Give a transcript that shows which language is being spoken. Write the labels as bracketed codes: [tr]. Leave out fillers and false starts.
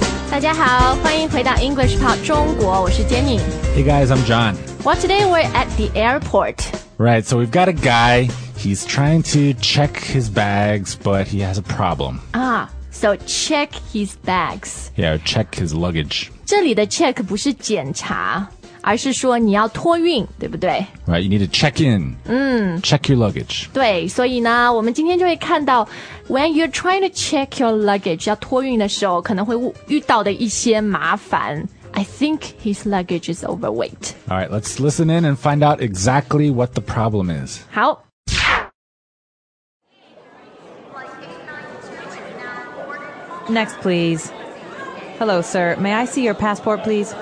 [zh] 大家好，欢迎回到 English Pod 中国，我是 Jenny. [en] Hey guys, I'm John. Well, today we're at the airport. Right, so we've got a guy, he's trying to check his bags, but he has a problem. Ah, so check his bags. Yeah, check his luggage. [zh] 这里的 check 不是检查。而是说你要托运，对不对 [en] ？Right, you need to check in. Check your luggage. [zh] 对，所以呢，我们今天就会看到 ， [en] when you're trying to check your luggage， [zh] 要托运的时候，可能会遇到的一些麻烦。 [en] I think his luggage is overweight. All right, let's listen in and find out exactly what the problem is. [zh] 好。 [en] Next, please. Hello, sir. May I see your passport, please?